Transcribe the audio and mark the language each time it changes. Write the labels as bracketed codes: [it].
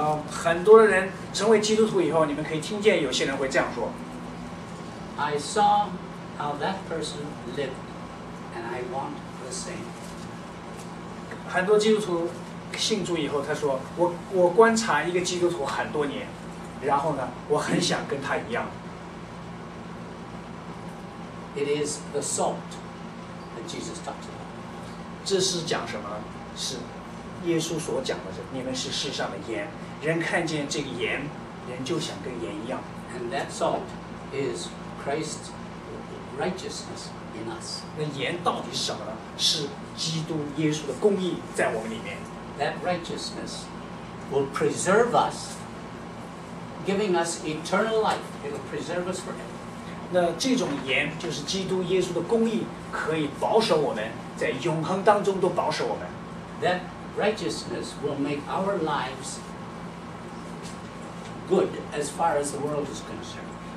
[zh] 很多的人成为基督徒以后，你们可以听见有些人会这样说。 [en] I saw how that person lived, and I want the same. [zh] 很多基督徒信主以后，他说我观察一个基督徒很多年，然后呢，我很想跟他一样。 [en] It is the salt. Jesus talks about. [zh] 这是讲什么？是耶稣所讲的是，你们是世上的盐。人看见这个盐，人就想跟盐一样。 [en] And that salt is Christ's righteousness in us. [zh] 那盐到底是什么呢？是基督耶稣的公义在我们里面。 [en] That righteousness will preserve us, giving us eternal life. It will preserve us forever. [zh] 那这种盐就是基督耶稣的公义，可以保守我们，在永恒当中都保守我们。 [en] That righteousness will make our lives good as far as the world is concerned.